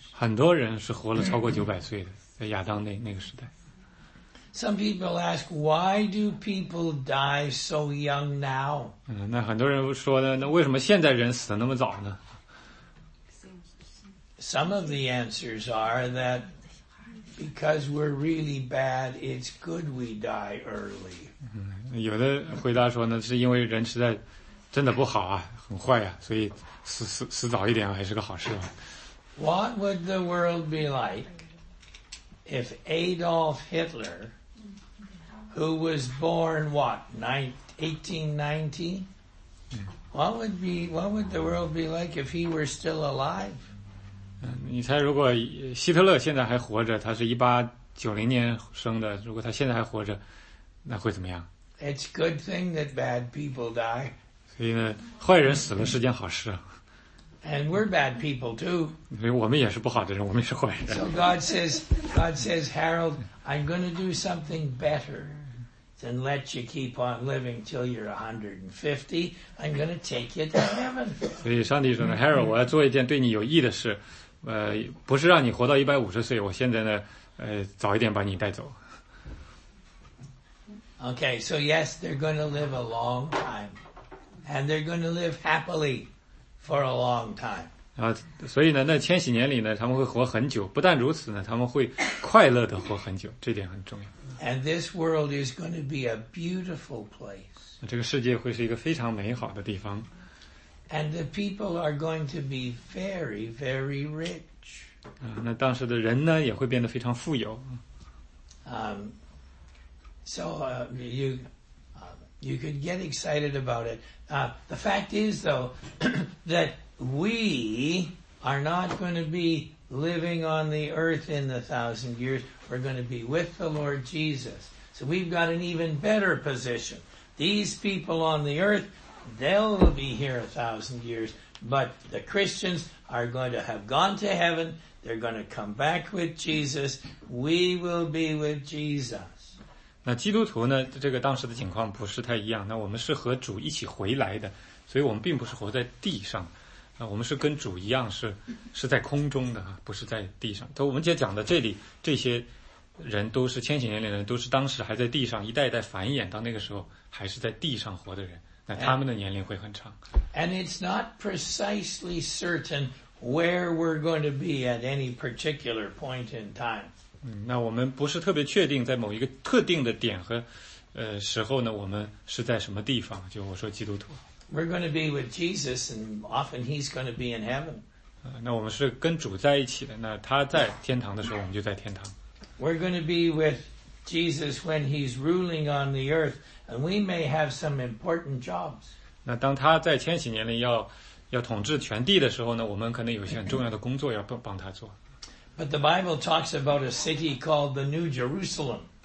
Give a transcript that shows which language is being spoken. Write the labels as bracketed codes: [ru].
[zh] 很多人是活了超过900岁的，在亚当那个时代。 [en] Some people ask, why do people die so young now? [zh] 那很多人说呢，那为什么现在人死得那么早呢？ [en] Some of the answers are that because we're really bad, it's good we die early. [zh] 有的回答说呢，是因为人实在真的不好啊，很坏啊，所以死早一点还是个好事吧。 [en] What would the world be like if Adolf Hitler, who was born what, 1890? What would the world be like if he were still alive? [zh] 你猜如果希特勒现在还活着，他是1890年生的，如果他现在还活着，那会怎么样？ [en] It's a good thing that bad people die. [zh] 所以呢，坏人死了是件好事。 [en] And we're bad people too. [zh] 所以我们也是不好的人，我们也是坏人。 [en] So God says, Harold, I'm going to do something better than let you keep on living till you're 150. I'm going to take you to heaven. [zh] 所以上帝说呢 ，Harold， 我要做一件对你有益的事，不是让你活到150岁，我现在呢，早一点把你带走。 [en] Okay, so yes, they're going to live a long time. And they're going to live happily for a long time. [zh] 所以呢，那千禧年里呢，他们会活很久。不但如此呢，他们会快乐地活很久，这点很重要。 [en] And this world is going to be a beautiful place. [zh] 这个世界会是一个非常美好的地方。 [en] And the people are going to be very, very rich. [zh] 那当时的人呢，也会变得非常富有。 [en] So you could get excited about it. The fact is, though, that we are not going to be living on the earth in the 1,000 years. We're going to be with the Lord Jesus. So we've got an even better position. These people on the earth, they'll be here 1,000 years. But the Christians are going to have gone to heaven. They're going to come back with Jesus. We will be with Jesus. [zh] 那基督徒呢，这个当时的情况不是太一样，那我们是和主一起回来的，所以我们并不是活在地上，那我们是跟主一样是在空中的，不是在地上。都我们今天讲的这里，这些人都是千禧年里的人，都是当时还在地上一代一代繁衍到那个时候还是在地上活的人，那他们的年龄会很长。 [en] And it's not precisely certain where we're going to be at any particular point in time. [zh] 那我们不是特别确定在某一个特定的点和时候呢，我们是在什么地方，就我说基督徒。 [en] We're going to be with Jesus and often he's going to be in heaven. [zh] 那我们是跟主在一起的，那他在天堂的时候我们就在天堂。 [en] We're going to be with Jesus when he's ruling on the earth and we may have some important jobs. [zh] 那当他在千禧年里要统治全地的时候呢，我们可能有些很重要的工作要帮他做。 [en] But the Bible talks about a city called the New Jerusalem.